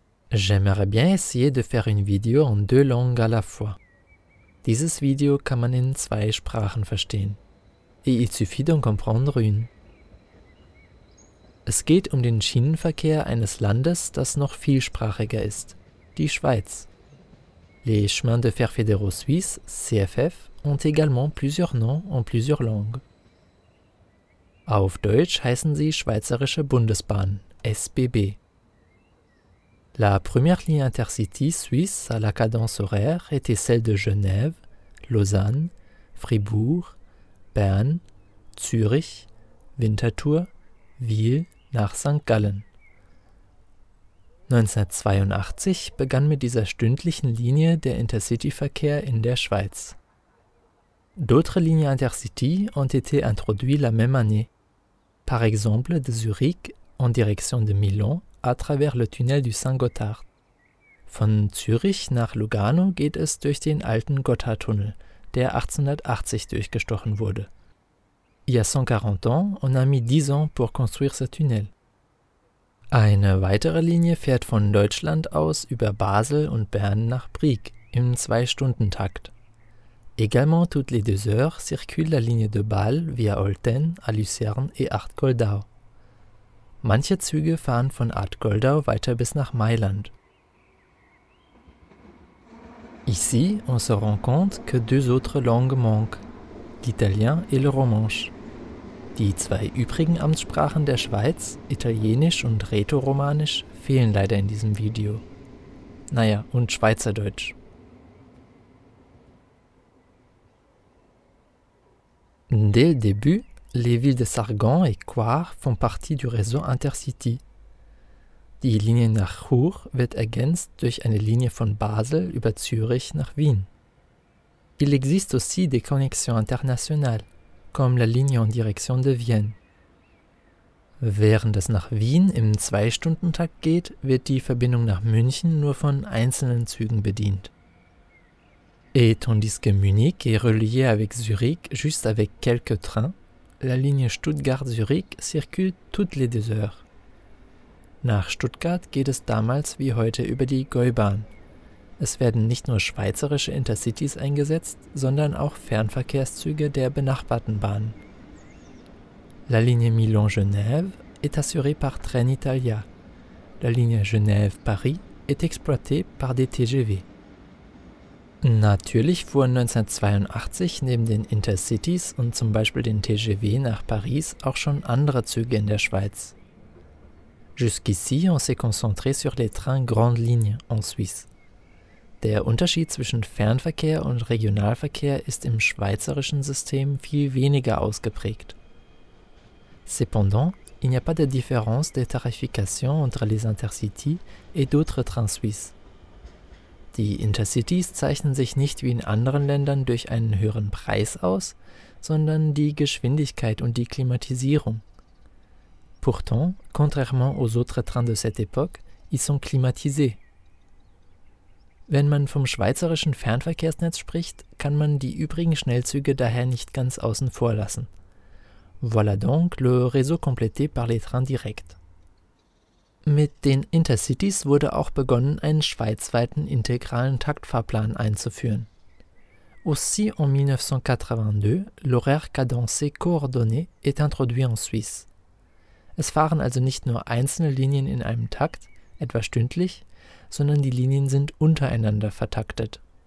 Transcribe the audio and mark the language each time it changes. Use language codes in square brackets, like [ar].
[fr] J'aimerais bien essayer de faire une vidéo en deux langues à la fois. [de] Dieses Video kann man in zwei Sprachen verstehen. [fr] Et il suffit d'en comprendre une. [de] Es geht um den Schienenverkehr eines Landes, das noch vielsprachiger ist, die Schweiz. [fr] Les chemins de fer fédéraux suisses, CFF, ont également plusieurs noms en plusieurs langues. [de] Auf Deutsch heißen sie Schweizerische Bundesbahn, SBB. [fr] La première ligne intercity suisse à la cadence horaire était celle de Genève, Lausanne, Fribourg, Berne, Zürich, Winterthur, Wiel [de] nach St. Gallen. 1982 begann mit dieser stündlichen Linie der Intercity-Verkehr in der Schweiz. [fr] D'autres lignes intercity ont été introduites la même année, par exemple de Zurich en direction de Milan à travers le tunnel du Saint-Gothard. [de] Von Zürich nach Lugano geht es durch den alten Gotthardtunnel, der 1880 durchgestochen wurde. [fr] Il y a 140 ans, on a mis 10 ans pour construire ce tunnel. [de] Eine weitere Linie fährt von Deutschland aus über Basel und Bern nach Brieg im 2-Stunden-Takt. [fr] Également toutes les deux heures circule la ligne de Bâle via Olten à Lucerne et Arth-Goldau. [de] Manche Züge fahren von Arth-Goldau weiter bis nach Mailand. [fr] Ici, on se rend compte que deux autres langues manquent, l'italien et le romanche. [de] Die zwei übrigen Amtssprachen der Schweiz, Italienisch und Rätoromanisch, fehlen leider in diesem Video. Naja, und Schweizerdeutsch. [fr] Dès le début, les villes de Sargon et Coire font partie du réseau Intercity. [de] Die Linie nach Chur wird ergänzt durch eine Linie von Basel über Zürich nach Wien. [fr] Il existe aussi des connexions internationales, comme la ligne en direction de Vienne. [de] Während es nach Wien im 2-Stunden-Takt geht, wird die Verbindung nach München nur von einzelnen Zügen bedient. [fr] Et tandis que Munich est relié avec Zurich juste avec quelques trains, la ligne Stuttgart-Zurich circule toutes les deux heures. [de] Nach Stuttgart geht es damals wie heute über die Gäubahn. Es werden nicht nur schweizerische Intercities eingesetzt, sondern auch Fernverkehrszüge der benachbarten Bahnen. [fr] La ligne Milan-Genève est assurée par Trenitalia. La ligne Genève-Paris est exploitée par des TGV. [de] Natürlich fuhren 1982 neben den Intercities und zum Beispiel den TGV nach Paris auch schon andere Züge in der Schweiz. [fr] Jusqu'ici, on s'est concentré sur les trains grandes lignes en Suisse. [de] Der Unterschied zwischen Fernverkehr und Regionalverkehr ist im schweizerischen System viel weniger ausgeprägt. [fr] Cependant, il n'y a pas de différence de tarification entre les Intercity et d'autres trains suisses. [de] Die Intercities zeichnen sich nicht wie in anderen Ländern durch einen höheren Preis aus, sondern die Geschwindigkeit und die Klimatisierung. [fr] Pourtant, contrairement aux autres trains de cette époque, ils sont climatisés. [de] Wenn man vom schweizerischen Fernverkehrsnetz spricht, kann man die übrigen Schnellzüge daher nicht ganz außen vor lassen. [fr] Voilà donc le réseau complété par les trains directs. [de] Mit den Intercities wurde auch begonnen, einen schweizweiten integralen Taktfahrplan einzuführen. [fr] Aussi en 1982, l'horaire cadencé coordonné est introduit en Suisse. [de] Es fahren also nicht nur einzelne Linien in einem Takt, etwa stündlich, sondern die Linien sind untereinander vertaktet.